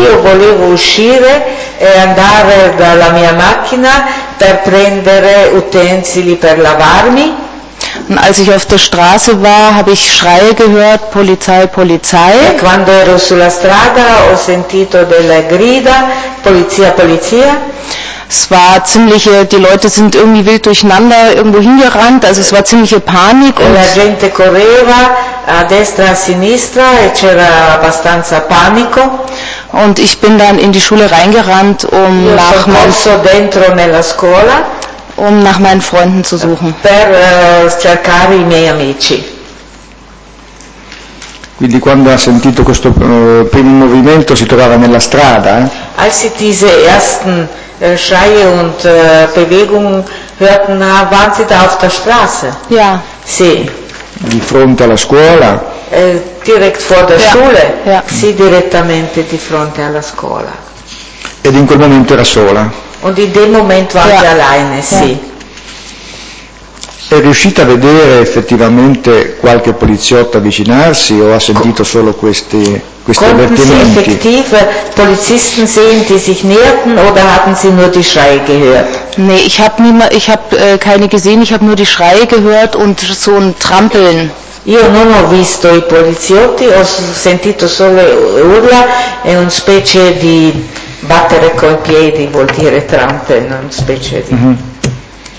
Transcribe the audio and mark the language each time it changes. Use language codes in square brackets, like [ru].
[it] Io volevo uscire e andare dalla mia macchina per prendere utensili per lavarmi. [de] Und als ich auf der Straße war, habe ich Schreie gehört, Polizei, Polizei. [it] E quando ero sulla strada ho sentito delle grida, polizia, polizia. [de] Es war ziemliche, die Leute sind irgendwie wild durcheinander irgendwo hingerannt, also es war ziemliche Panik. Und [it] la gente correva a destra a sinistra e c'era abbastanza panico. [de] Und ich bin dann in die Schule reingerannt, um nach meinen Freunden zu suchen. [it] Per cercare i miei amici. Quindi quando ha sentito questo primo movimento si trovava nella strada. [de] Als sie diese ersten Schreie und Bewegungen hörten, waren sie da auf der Straße? Ja. Sie. [it] Di fronte alla scuola? [de] Direkt vor der Schule? Ja. Sie [it] direttamente di fronte alla scuola. Ed in quel momento era sola? [de] Und in dem Moment war sie alleine, [it] sì. È riuscita a vedere effettivamente qualche poliziotto avvicinarsi o ha sentito solo questi avvertimenti? [de] Konnten Sie effektiv Polizisten sehen, die sich näherten, oder haben Sie nur die Schreie gehört? Nee, ich habe keine gesehen, ich habe nur die Schreie gehört und so ein Trampeln. [it] Io non ho visto i poliziotti, ho sentito solo urla e una specie di battere coi piedi, vuol dire trampeln, una specie di... Mm-hmm.